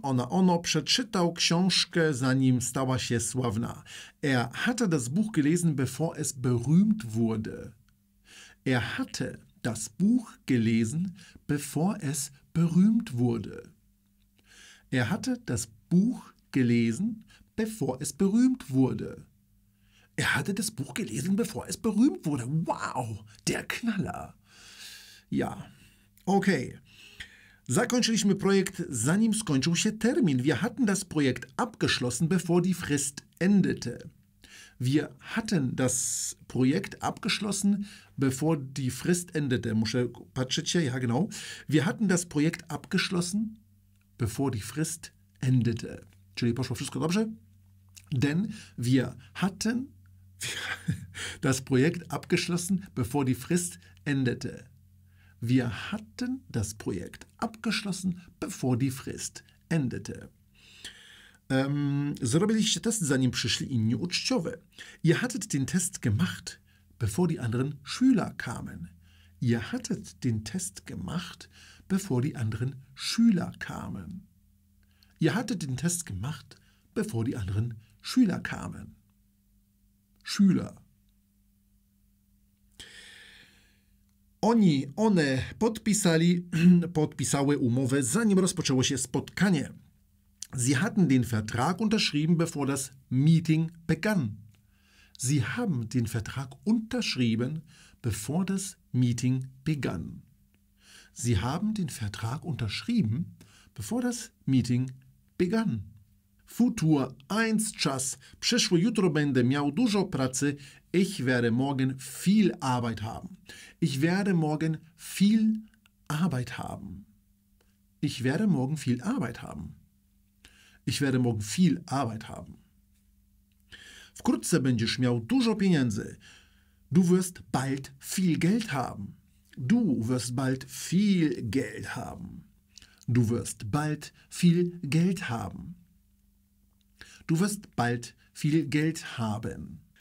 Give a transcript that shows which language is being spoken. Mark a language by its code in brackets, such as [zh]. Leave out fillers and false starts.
[pl] Ono przeczytał książkę, zanim stała się sławna. [de] Er hatte das Buch gelesen, bevor berühmt wurde. Er hatte das Buch gelesen, bevor berühmt wurde. Er hatte das Buch gelesen, bevor berühmt wurde. Er hatte das Buch gelesen, bevor es berühmt wurde. Wow, der Knaller. Ja, okay. [pl] Zakończyliśmy projekt, zanim skończył się termin. [de] Wir hatten das Projekt abgeschlossen, bevor die Frist endete. Wir hatten das Projekt abgeschlossen, bevor die Frist endete. [pl] Muszę patrzeć się, [de] ja genau. Wir hatten das Projekt abgeschlossen, bevor die Frist endete. [pl] Czyli poszło wszystko dobrze? [de] Denn wir hatten das Projekt abgeschlossen, bevor die Frist endete. Wir hatten das Projekt abgeschlossen, bevor die Frist endete. [pl] Zrobiliście test, zanim przyszli inni uczciowe. [de] Ihr hattet den Test gemacht, bevor die anderen Schüler kamen. Ihr hattet den Test gemacht, bevor die anderen Schüler kamen. Ihr hattet den Test gemacht, bevor die anderen Schüler kamen. Schüler. [pl] Oni, one podpisali, podpisały umowę, zanim rozpoczęło się spotkanie. [de] Sie hatten den Vertrag unterschrieben, bevor das Meeting begann. Sie haben den Vertrag unterschrieben, bevor das Meeting begann. Sie haben den Vertrag unterschrieben, bevor das Meeting begann. [pl] Futur 1, czas. Przyszły jutro będę miał dużo pracy. [de] Ich werde morgen viel Arbeit haben. Ich werde morgen viel Arbeit haben. Ich werde morgen viel Arbeit haben. Ich werde morgen viel Arbeit haben. [pl] Wkrótce będziesz miał dużo pieniędzy. [de] Du wirst bald viel Geld haben. Du wirst bald viel Geld haben. Du wirst bald viel Geld haben. Du wirst bald viel Geld haben.